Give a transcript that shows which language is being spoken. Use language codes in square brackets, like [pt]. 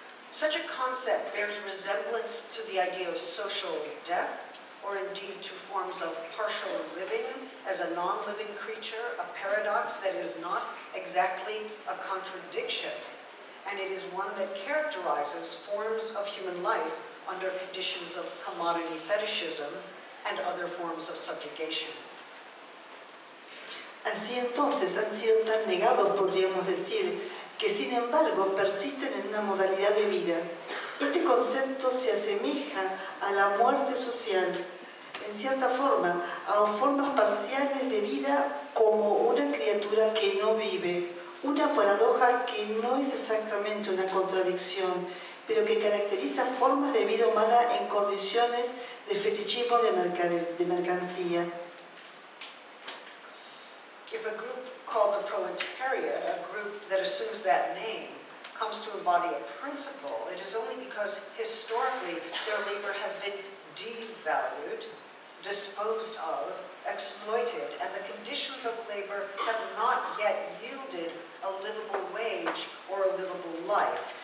[en] Such a concept bears resemblance to the idea of social death, or indeed to forms of partial living as a non-living creature, a paradox that is not exactly a contradiction, and it is one that characterizes forms of human life under conditions of commodity fetishism and other forms of subjugation. [es] Así entonces han sido tan negados, podríamos decir, que sin embargo persisten en una modalidad de vida. Este concepto se asemeja a la muerte social, en cierta forma, a formas parciales de vida como una criatura que no vive. Una paradoja que no es exactamente una contradicción, pero que caracteriza formas de vida humana en condiciones de fetichismo de mercancía. [en] If a group called the proletariat, a group that assumes that name, comes to embody a principle, it is only because historically their labor has been devalued, disposed of, exploited, and the conditions of labor have not yet yielded a livable wage or a livable life.